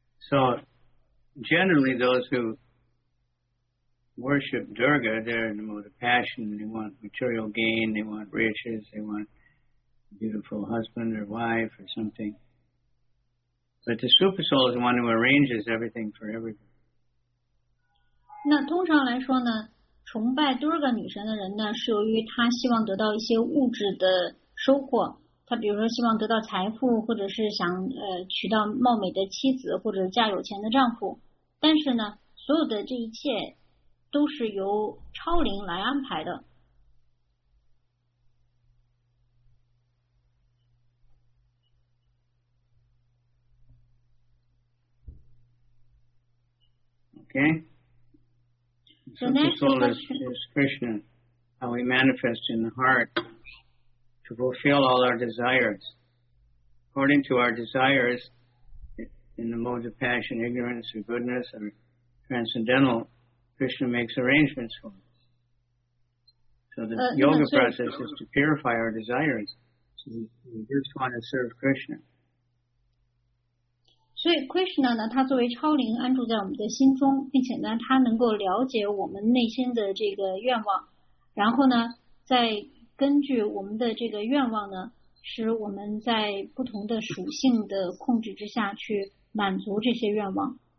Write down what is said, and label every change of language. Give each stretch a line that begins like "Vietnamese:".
English: So, generally, those who worship Durga, they're in the mode of passion. They want material gain, they want riches, they want a beautiful husband or wife or something. But the super soul is the one who arranges everything for everybody.
Chinese: 那通常来说呢，崇拜 Durga 女神的人呢，是由于他希望得到一些物质的收获。他比如说希望得到财富，或者是想娶到貌美的妻子，或者嫁有钱的丈夫。但是呢，所有的这一切都是由超灵来安排的。
English: Okay. So the soul is Krishna, how we manifest in the heart to fulfill all our desires. According to our desires, in the modes of passion, ignorance, or goodness, or transcendental, Krishna makes arrangements for us. So the yoga process is to purify our desires. So we just want to serve Krishna.
Chinese: 所以 Krishna 呢，他作为超灵安住在我们的心中，并且呢，他能够了解我们内心的这个愿望，然后呢，再根据我们的这个愿望呢，使我们在不同的属性的控制之下去满足这些愿望。